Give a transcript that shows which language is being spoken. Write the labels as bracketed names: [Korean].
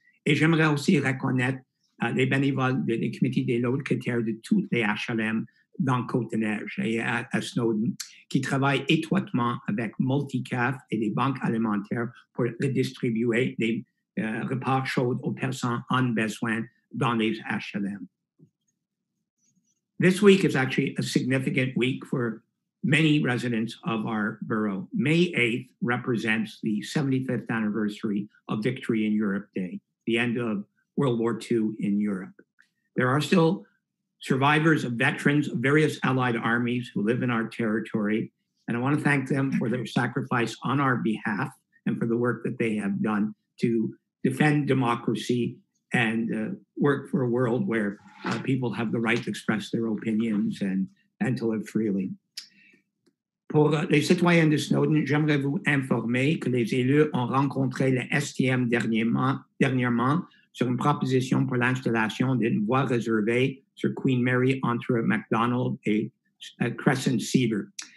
[French] Et j'aimerais aussi reconnaître les bénévoles des comités des locataires de tous les HLM dans Côte-de-Neige et à Snowden, qui travaillent étroitement avec Multicaf et les banques alimentaires pour redistribuer les repas chauds aux personnes en besoin dans les HLM. [English] This week is actually a significant week for many residents of our borough. May 8th represents the 75th anniversary of Victory in Europe Day, the end of World War II in Europe. There are still survivors of veterans of various allied armies who live in our territory. And I want to thank them for their sacrifice on our behalf and for the work that they have done to defend democracy and work for a world where people have the right to express their opinions and to live freely. [French] Pour les citoyens de Snowden, j'aimerais vous informer que les élus ont rencontré le STM dernièrement sur une proposition pour l'installation d'une voie réservée sur Queen Mary entre McDonald et Crescent Cedar.